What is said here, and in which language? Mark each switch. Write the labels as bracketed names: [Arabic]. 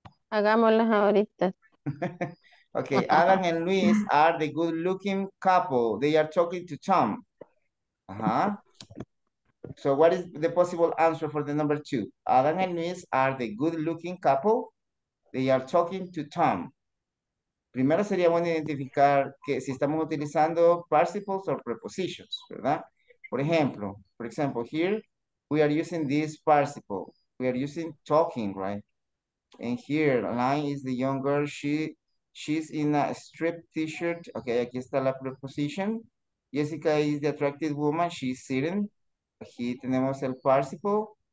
[Spanish] Hagámoslas ahorita. [English] Okay, Adam and Luis are the good-looking couple. They are talking to Tom. Uh-huh. So what is the possible answer for the number two? Adam and Luis are the good-looking couple. They are talking to Tom. [Spanish] Primero sería bueno identificar que si estamos utilizando [English] participles or prepositions, [Spanish] ¿verdad? [English] For example, here we are using this participle. We are using talking, right? And here, line is the young girl. She's in a striped t-shirt. Okay, [Spanish] aquí está la preposición. [English] Jessica is the attractive woman. She's sitting. [Spanish] Aquí tenemos el participle.